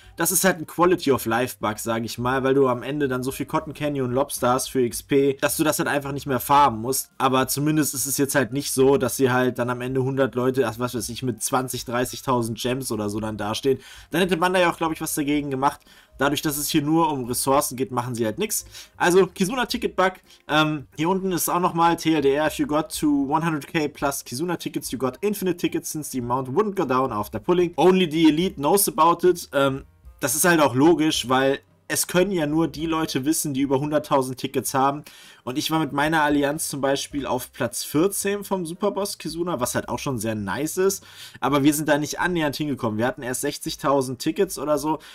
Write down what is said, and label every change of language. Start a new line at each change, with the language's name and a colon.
German: Das ist halt ein Quality of Life Bug, sage ich mal, weil du am Ende dann so viel Cotton Candy und Lobster hast für XP, dass du das halt einfach nicht mehr farmen musst. Aber zumindest ist es jetzt halt nicht so, dass sie halt dann am Ende 100 Leute, ach, was weiß ich, mit 20.000, 30.000 Gems oder so dann dastehen. Dann hätte man da ja auch, glaube ich, was dagegen gemacht. Dadurch, dass es hier nur um Ressourcen geht, machen sie halt nichts. Also, Kizuna Ticket Bug. Hier unten ist auch nochmal TLDR.
English: If you got to 100k plus Kizuna Tickets, you got infinite Tickets since the amount wouldn't go down after pulling. Only the elite knows about it.
German: Das ist halt auch logisch, weil es können ja nur die Leute wissen, die über 100.000 Tickets haben. Und ich war mit meiner Allianz zum Beispiel auf Platz 14 vom Superboss Kizuna, was halt auch schon sehr nice ist. Aber wir sind da nicht annähernd hingekommen. Wir hatten erst 60.000 Tickets oder so.